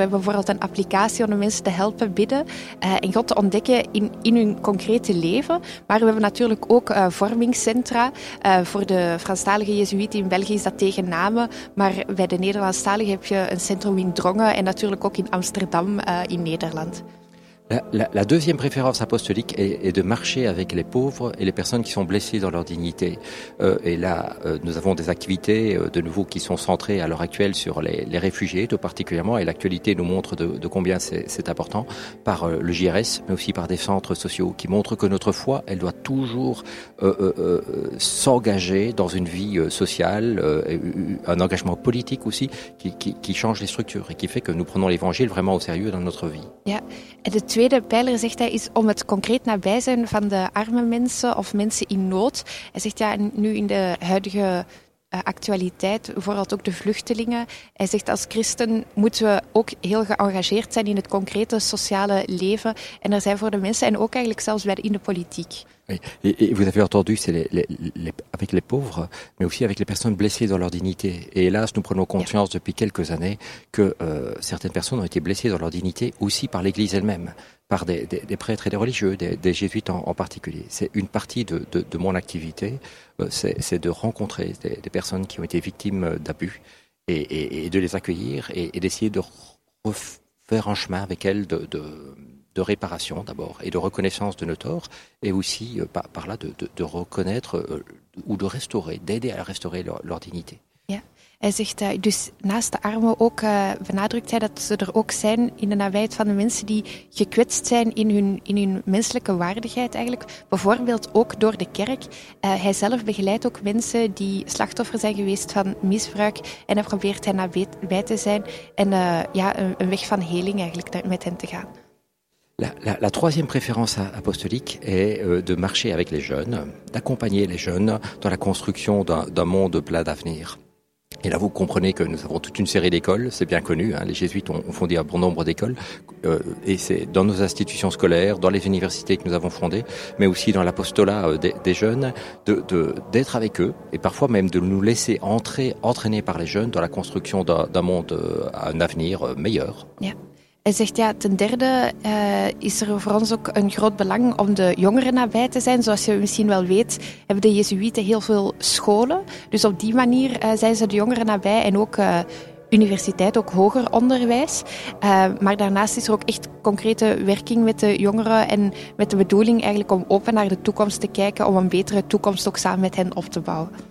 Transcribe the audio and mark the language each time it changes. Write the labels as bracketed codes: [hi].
[nl] Zo hebben we bijvoorbeeld een applicatie om de mensen te helpen bidden en God te ontdekken in hun concrete leven. Maar we hebben natuurlijk ook vormingscentra. Voor de Franstalige jezuïeten in België is dat tegen namen. Maar bij de Nederlandstalige heb je een centrum in Drongen en natuurlijk ook in Amsterdam in Nederland. [fr] La deuxième préférence apostolique est de marcher avec les pauvres et les personnes qui sont blessées dans leur dignité. Nous avons des activités de nouveau qui sont centrées à l'heure actuelle sur les réfugiés tout particulièrement, et l'actualité nous montre de combien c'est important par le JRS, mais aussi par des centres sociaux qui montrent que notre foi, elle doit toujours s'engager dans une vie sociale, un engagement politique aussi qui change les structures et qui fait que nous prenons l'évangile vraiment au sérieux dans notre vie. Yeah. [nl] De tweede pijler, zegt hij, is om het concreet nabij zijn van de arme mensen of mensen in nood. Hij zegt, ja, nu in de huidige actualiteit, vooral ook de vluchtelingen. Hij zegt, als christen moeten we ook heel geëngageerd zijn in het concrete sociale leven. En er zijn voor de mensen en ook eigenlijk zelfs in de politiek. [fr] Et vous avez entendu, c'est avec les pauvres, mais aussi avec les personnes blessées dans leur dignité. Et hélas, nous prenons conscience depuis quelques années que certaines personnes ont été blessées dans leur dignité aussi par l'Église elle-même, par des prêtres et des religieux, des jésuites en particulier. C'est une partie de mon activité, c'est de rencontrer des personnes qui ont été victimes d'abus et de les accueillir et d'essayer de refaire un chemin avec elles de réparation d'abord et de reconnaissance de nos torts, et aussi par là de reconnaître ou de restaurer, d'aider à restaurer leur dignité. [nl] Ja. Hij zegt dus naast de armen ook, benadrukt hij dat ze er ook zijn in de nabijheid van de mensen die gekwetst zijn in hun menselijke waardigheid eigenlijk, bijvoorbeeld ook door de kerk. Hij zelf begeleidt ook mensen die slachtoffer zijn geweest van misbruik en hij probeert hen nabij te zijn en een weg van heling eigenlijk met hen te gaan. [fr] La troisième préférence apostolique est de marcher avec les jeunes, d'accompagner les jeunes dans la construction d'un monde plein d'avenir. Et là, vous comprenez que nous avons toute une série d'écoles, c'est bien connu, hein, les jésuites ont fondé un bon nombre d'écoles, et c'est dans nos institutions scolaires, dans les universités que nous avons fondées, mais aussi dans l'apostolat des jeunes, d'être avec eux, et parfois même de nous laisser entraîner par les jeunes dans la construction d'un monde, un avenir meilleur. Yeah. [nl] Hij zegt ja, ten derde is er voor ons ook een groot belang om de jongeren nabij te zijn. Zoals je misschien wel weet, hebben de Jezuïeten heel veel scholen. Dus op die manier zijn ze de jongeren nabij en ook universiteit, ook hoger onderwijs. Maar daarnaast is er ook echt concrete werking met de jongeren en met de bedoeling eigenlijk om open naar de toekomst te kijken, om een betere toekomst ook samen met hen op te bouwen.